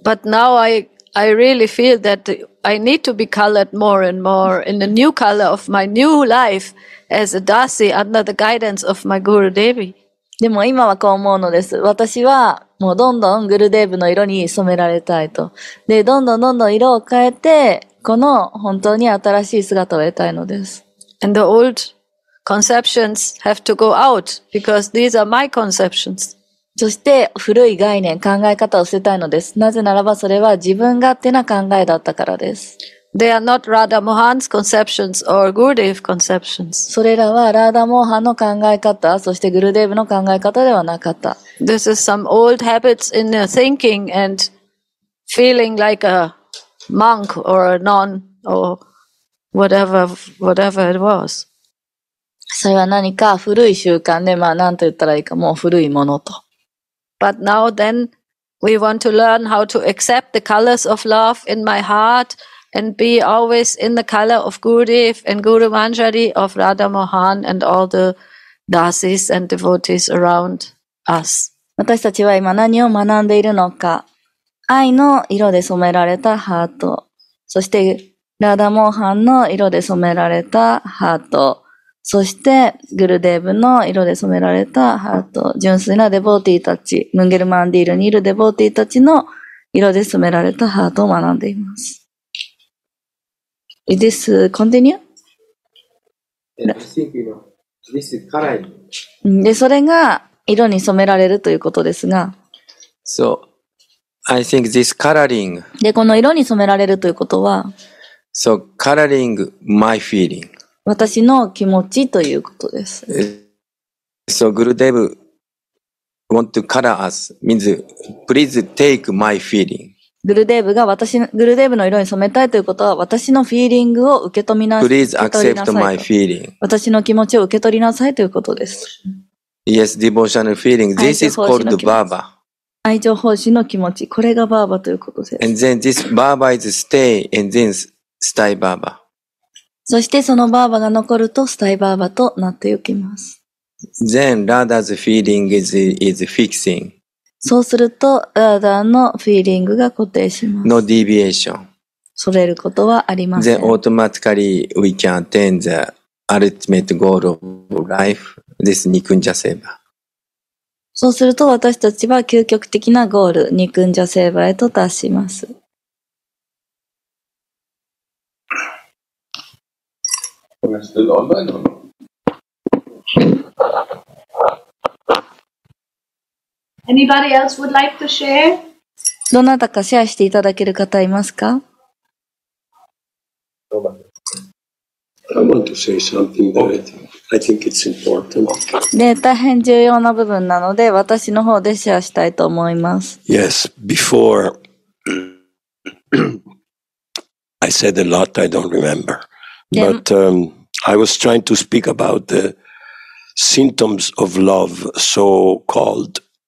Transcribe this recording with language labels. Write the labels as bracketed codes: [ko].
[en] But now I really feel that I need to be colored more and more in the new color of my new life as a Dasi under the guidance of my Guru Devi. [ja] でも今はこう思うのです。私はもうどんどんグルデーブの色に染められたいと。で、どんどんどんどん色を変えて、この本当に新しい姿を得たいのです。 [en] And the old conceptions have to go out because these are my conceptions. [ja] そして古い概念、考え方を捨てたいのです。なぜならばそれは自分勝手な考えだったからです。 [en] They are not Radha Mohan's conceptions or Gurudev conceptions. [ja] それらはラーダモハンの考え方、そしてグルデーブの考え方ではなかった。 [en] This is some old habits in the thinking and feeling like a monk or a nun or whatever it was. [ja] それは何か古い習慣で、なんと言ったらいいか、もう古いものと。 [en] But now then, we want to learn how to accept the colors of love in my heart. And be always in the color of Gurudev and Guru Manjari of Radha Mohan and all the dasis and devotees around us. [ja] 私たちは今何を学んでいるのか。愛の色で染められたハート。そして、ラダモハンの色で染められたハート。そして、グルデーブの色で染められたハート。純粋なデボーティーたち、ムンゲルマンディールにいるデボーティーたちの色で染められたハートを学んでいます。 [en] Is this continue? And I think, you know, this is color. [ja] で、それが色に染められるということですが。 [en] So, I think this coloring. [ja] で、この色に染められるということは。 [en] So, coloring my feeling. [ja] 私の気持ちということです。 [en] So, Gurudev want to color us. Means, please take my feeling. [ja] グルデーブが私、グルデーブの色に染めたいということは、私のフィーリングを受け止めなさい。 [en] Please accept my feeling. [ja] 私の気持ちを受け取りなさいということです。 [en] Yes, devotional feeling. This is called Baba. [ja] 愛情奉仕の気持ち。これがバーバということです。 [en] And then this Baba is stay and then stay Baba. [ja] そしてそのバーバが残ると、スタイバーバとなっていきます。 [en] Then, Radha's feeling is fixing. [ja] そうすると、ラーダーのフィーリングが固定します。 [en] No deviation. [ja] それることはありません。 [en] Then automatically we can attain the ultimate goal of life, this Nikunja Seva. [ja] そうすると私たちは究極的なゴール、Nikunja Sevaへと達します。 [en] Anybody else would like to share? [ja] どなたかシェアしていただける方いますか? [en] I want to say something that I think it's important. [ja] で、大変重要な部分なので、私の方でシェアしたいと思います。 [en] Yes, before I said a lot I don't remember. But I was trying to speak about the symptoms of love, so-called.